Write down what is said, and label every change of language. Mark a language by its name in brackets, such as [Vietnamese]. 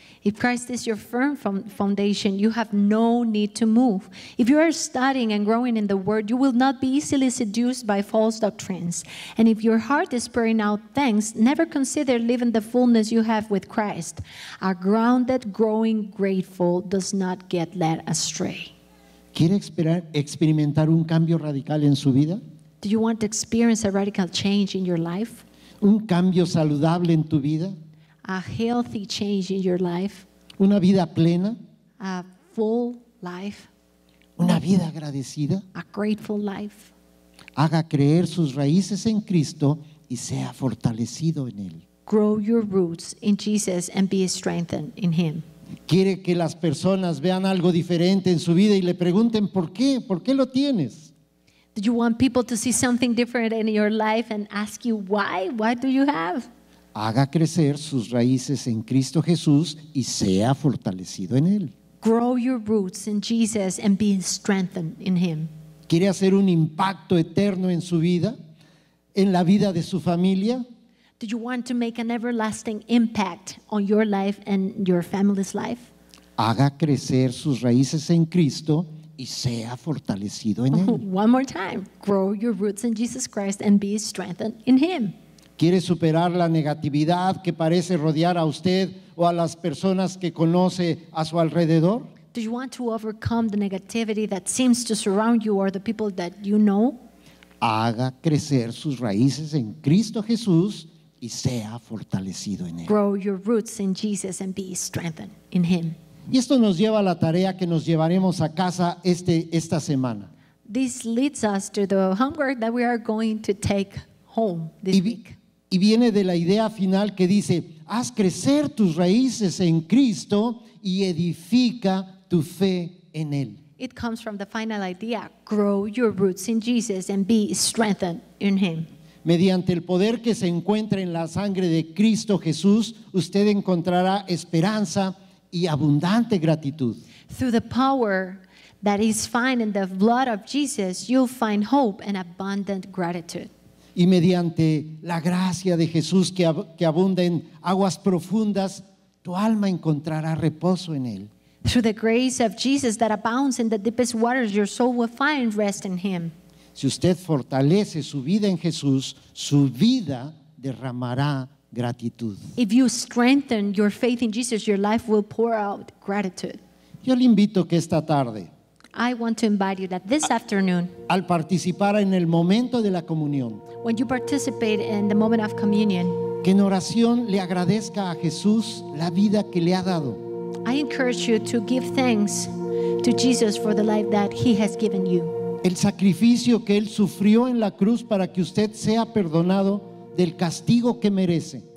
[English] If Christ is your firm foundation, you have no need to move. If you are studying and growing in the Word, you will not be easily seduced by false doctrines. And if your heart is pouring out thanks, never consider leaving the fullness you have with Christ. A grounded, growing, grateful does not get led astray. [Spanish] ¿Quiere experimentar un cambio radical en su vida? [English] Do you want to experience a radical change in your life? [Spanish] ¿Un cambio saludable en tu vida? [English] A healthy change in your life. [Spanish] Una vida plena. [English] A full life. [Spanish] Una vida agradecida. [English] A grateful life. [Spanish] Haga creer sus raíces en Cristo y sea fortalecido en Él. [English] Grow your roots in Jesus and be strengthened in Him. [Spanish] Quiere que las personas vean algo diferente en su vida y le pregunten por qué. ¿Por qué lo tienes? [English] Do you want people to see something different in your life and ask you why? What do you have? [Spanish] Haga crecer sus raíces en Cristo Jesús y sea fortalecido en Él. [English] Grow your roots in Jesus and be strengthened in Him. [Spanish] ¿Quiere hacer un impacto eterno en su vida, en la vida de su familia? [English] Do you want to make an everlasting impact on your life and your family's life? [Spanish] Haga crecer sus raíces en Cristo y sea fortalecido en Él. [English] One more time. Grow your roots in Jesus Christ and be strengthened in Him. [Spanish] ¿Quiere superar la negatividad que parece rodear a usted o a las personas que conoce a su alrededor? [English] Do you want to overcome the negativity that seems to surround you or the people that you know? [Spanish] Haga crecer sus raíces en Cristo Jesús y sea fortalecido en Él. [English] Grow your roots in Jesus and be strengthened in Him. [Spanish] Y esto nos lleva a la tarea que nos llevaremos a casa esta semana. [English] This leads us to the homework that we are going to take home this week. [Spanish] y viene de la idea final que dice: haz crecer tus raíces en Cristo y edifica tu fe en Él. [English] It comes from the final idea: grow your roots in Jesus and be strengthened in Him. [Spanish] Mediante el poder que se encuentra en la sangre de Cristo Jesús, usted encontrará esperanza y abundante gratitud. [English] Through the power that is found in the blood of Jesus, you'll find hope and abundant gratitude. [Spanish] Y mediante la gracia de Jesús que abunda en aguas profundas, tu alma encontrará reposo en Él. [English] Through the grace of Jesus that abounds in the deepest waters, your soul will find rest in Him. [Spanish] Si usted fortalece su vida en Jesús, su vida derramará gratitud. [English] If you strengthen your faith in Jesus, your life will pour out gratitude. [Spanish] Yo le invito que esta tarde, [English] I want to invite you that this afternoon, [Spanish] al participar en el momento de la comunión, [English] when you participate in the moment of communion, [Spanish] que en oración le agradezca a Jesús la vida que le ha dado. [English] I encourage you to give thanks to Jesus for the life that He has given you. [Spanish] El sacrificio que Él sufrió en la cruz para que usted sea perdonado del castigo que merece.